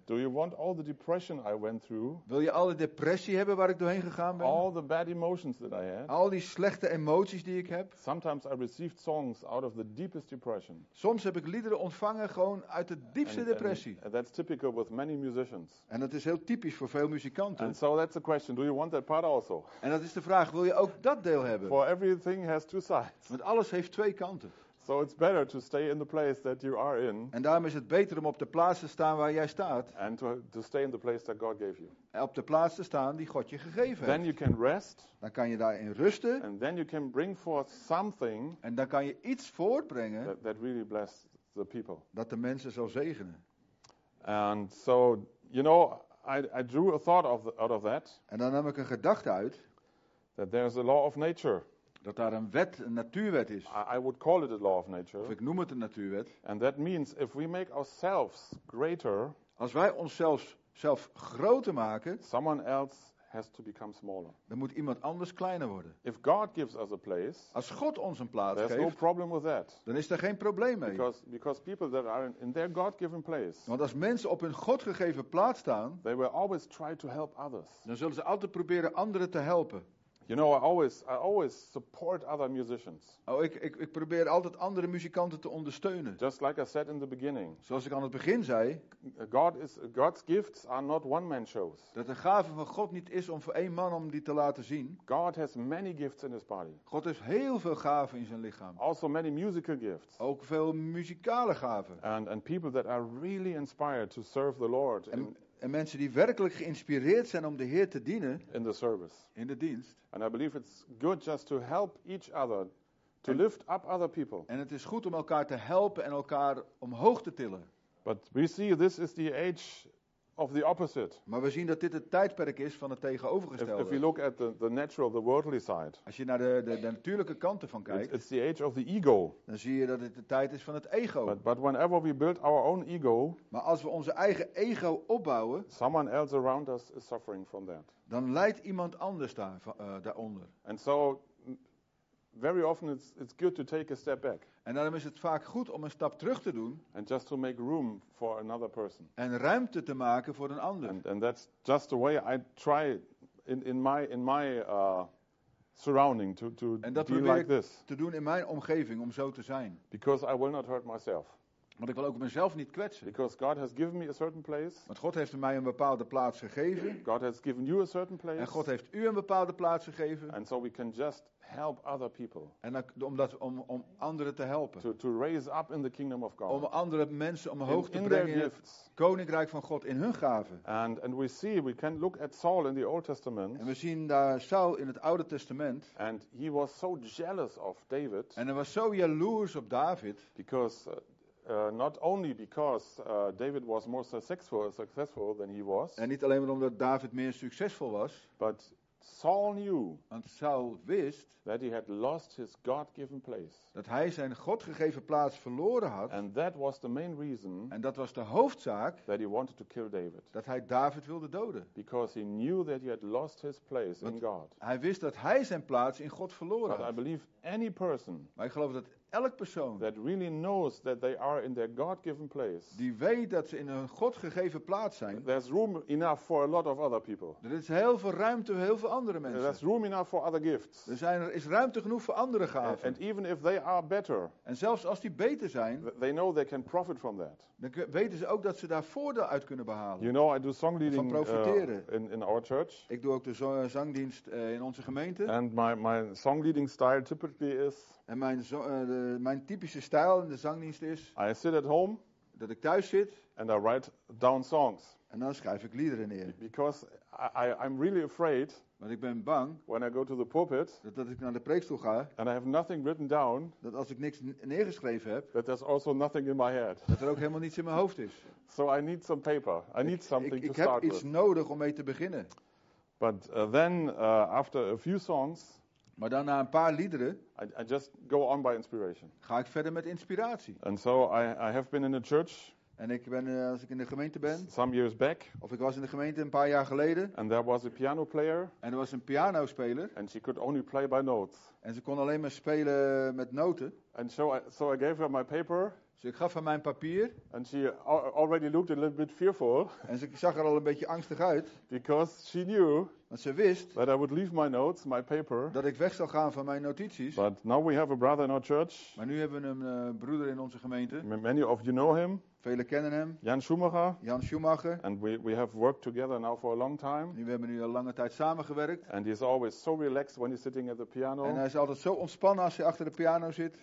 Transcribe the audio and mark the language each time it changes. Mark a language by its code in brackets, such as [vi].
[en] Do you want all the depression I went through? [nl] Wil je alle depressie hebben waar ik doorheen gegaan ben? [en] All the bad emotions that I had. [nl] Al die slechte emoties die ik heb. [en] Sometimes I received songs out of the deepest depression. [nl] Soms heb ik liederen ontvangen gewoon uit de diepste depressie. [en] And that's typical with many musicians. [nl] En dat is heel typisch voor veel muzikanten. [en] And so that's the question. Do you want that part also? [nl] En dat is de vraag. Wil je ook dat deel hebben? [en] For everything has two sides. [nl] Want alles heeft twee kanten. [en] So it's better to stay in the place that you are in. [nl] En daarom is het beter om op de plaats te staan waar jij staat. [en] And to stay in the place that God gave you. [nl] En op de plaats te staan die God je gegeven heeft. [en] Then you can rest. [nl] Dan kan je daarin rusten. [en] And then you can bring forth something. [nl] En dan kan je iets voortbrengen. [en] That really bless the people. [nl] Dat de mensen zal zegenen. [en] And so, you know, I drew a thought of out of that. [nl] En dan nam ik een gedachte uit. [en] That there's a law of nature. [nl] Dat daar een wet, een natuurwet is. [en] I would call it a law of nature. [nl] Of ik noem het een natuurwet. [en] And that means if we make ourselves greater, [nl] als wij onszelf zelf groter maken, [en] someone else has to become smaller. [nl] Dan moet iemand anders kleiner worden. [en] If God gives us a place, [nl] als God ons een plaats [en] there's [nl] geeft, [en] no problem with that. [nl] Dan is er geen probleem mee. [en] Because people that are in their God-given place, [nl] want als mensen op hun God gegeven plaats staan, [en] they will always try to help others. [nl] Dan zullen ze altijd proberen anderen te helpen. [en] You know, I always support other musicians. [nl] Oh, ik probeer altijd andere muzikanten te ondersteunen. [en] Just like I said in the beginning. [nl] Zoals ik aan het begin zei. [en] God's gifts are not one-man shows. [nl] Dat de gaven van God niet is om voor één man om die te laten zien. [en] God has many gifts in his body. [nl] God heeft heel veel gaven in zijn lichaam. [en] Also many musical gifts. [nl] Ook veel muzikale gaven. [en] And people that are really inspired to serve the Lord. [nl] En mensen die werkelijk geïnspireerd zijn om de Heer te dienen [en] in the service, [nl] in de dienst. [en] And I believe it's good just to help each other, to lift up other people. [nl] En het is goed om elkaar te helpen en elkaar omhoog te tillen. [en] But we see this is the age of the opposite. [nl] Maar we zien dat dit het tijdperk is van het tegenovergestelde. [en] If you look at the natural, the worldly side. [nl] Als je naar de natuurlijke kanten van kijkt. [en] It's the age of the ego. [nl] Dan zie je dat dit de tijd is van het ego. [en] But whenever we build our own ego. [nl] Maar als we onze eigen ego opbouwen. [en] Someone else around us is suffering from that. [nl] Dan lijdt iemand anders daaronder. [en] And so very often it's good to take a step back. [nl] En daarom is het vaak goed om een stap terug te doen. [en] And just to make room for another person. [nl] En ruimte te maken voor een ander. [en] And that's just the way I try in my surrounding to be like this. [nl] En dat probeer ik te doen in mijn omgeving om zo te zijn. [en] Because I will not hurt myself. [nl] Want ik wil ook mezelf niet kwetsen. [en] Because God has given me a certain place. [nl] Want God heeft mij een bepaalde plaats gegeven. [en] God has given you a certain place. [nl] En God heeft u een bepaalde plaats gegeven. [en] And so we can just help other people. [nl] En om anderen te helpen. [en] To raise up in the kingdom of God. [nl] Om andere mensen omhoog te brengen in het koninkrijk van God in hun gaven. [en] And we see, we can look at Saul in the Old Testament. [nl] En we zien daar Saul in het Oude Testament. [en] And he was so jealous of David. [nl] En hij was zo jaloers op David. [en] Because not only because David was more successful than he was. [nl] En niet alleen omdat David meer succesvol was. [en] But Saul knew. [nl] Want Saul wist. [en] That he had lost his God-given place. [nl] Dat hij zijn God gegeven plaats verloren had. [en] And that was the main reason. [nl] En dat was de hoofdzaak. [en] That he wanted to kill David. [nl] Dat hij David wilde doden. [en] Because he knew that he had lost his place [nl] Want [en] in God. [nl] Hij wist dat hij zijn plaats in God verloren [en] But [nl] had. [en] I believe any person. [nl] Maar ik geloof dat elk persoon [en] that really knows that they are in their God-given place. [nl] Die weet dat ze in een God gegeven plaats zijn. [en] There's room enough for a lot of other people. [nl] Er is heel veel ruimte voor heel veel andere mensen. [en] There's room enough for other gifts. [nl] Er is ruimte genoeg voor andere gaven. [en] And even if they are better. [nl] En zelfs als die beter zijn. [en] They know they can profit from that. [nl] Dan weten ze ook dat ze daar voordeel uit kunnen behalen. [en] You know, I do song leading, [nl] van profiteren. [en] In our church. [nl] Ik doe ook de zangdienst in onze gemeente. [en] And my song leading style typically is. [nl] En mijn typische stijl in de zangdienst is. [en] I sit at home. [nl] Dat ik thuis zit. [en] And I write down songs. [nl] En dan schrijf ik liederen neer. [en] Because I'm really afraid. [nl] Want ik ben bang. [en] When I go to the pulpit. [nl] Dat ik naar de preekstoel ga. [en] And I have nothing written down. [nl] Dat als ik niks neergeschreven heb. [en] That there's also nothing in my head. [nl] Dat er ook helemaal niets in mijn hoofd is. [en] So I need some paper. I need something to start [nl] Ik heb iets nodig om mee te beginnen. [en] But then after a few songs. [nl] Maar dan na een paar liederen. [en] I just go on by inspiration. [nl] Ga ik verder met inspiratie. [en] And so I have been in a church. [nl] En ik ben als ik in de gemeente ben. [en] Some years back. [nl] Of ik was in de gemeente een paar jaar geleden. [en] And there was a piano player. [nl] En er was een pianospeler. [en] And she could only play by notes. [nl] En ze kon alleen maar spelen met noten. [en] And so I gave her my paper. [nl] Dus ik gaf haar mijn papier. [en] And she already looked a little bit fearful. [nl] En ze zag er al een beetje angstig uit. [en] Because she knew. [nl] Want ze wist [en] that I would leave my notes, my paper. [nl] Dat ik weg zou gaan van mijn notities. [en] But now we have a brother in our church. [nl] Maar nu hebben we een broeder in onze gemeente. [en] Many of you know him. [nl] Velen kennen hem. Jan Schumacher. [en] And we have worked together now for a long time. [nl] Nu hebben nu al lange tijd samengewerkt. [en] And he's always so relaxed when he's sitting at the piano. [nl] En hij is altijd zo ontspannen als hij achter de piano zit.